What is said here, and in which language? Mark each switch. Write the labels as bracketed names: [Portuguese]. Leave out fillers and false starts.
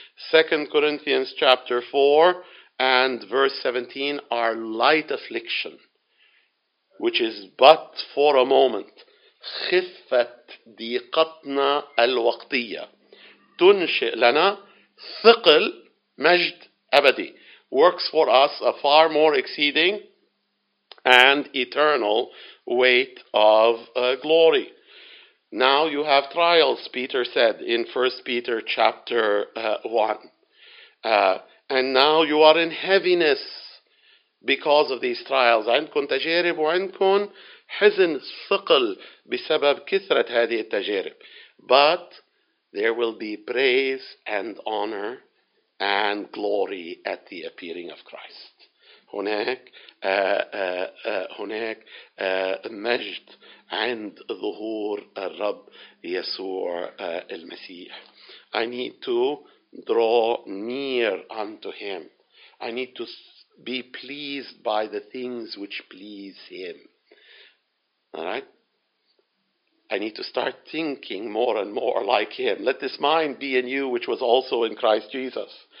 [English] 2 Corinthians chapter 4 and verse 17, our light affliction, which is but for a moment, [Arabic] khiffat diqatna al-waqtiyya, تنشئ لنا ثقل مجد أبدي, [English] works for us a far more exceeding and eternal weight of glory. Now you have trials, Peter said in 1 Peter chapter 1. and now you are in heaviness because of these trials. [Arabic] عندكم تجارب وعندكم حزن ثقل بسبب كثرة هذه التجارب. [English] But there will be praise and honor and glory at the appearing of Christ. [Arabic] هناك مجد عند ظهور الرب يسوع المسيح. [English] I need to draw near unto him. I need to be pleased by the things which please him. All right? I need to start thinking more and more like him. Let this mind be in you, which was also in Christ Jesus.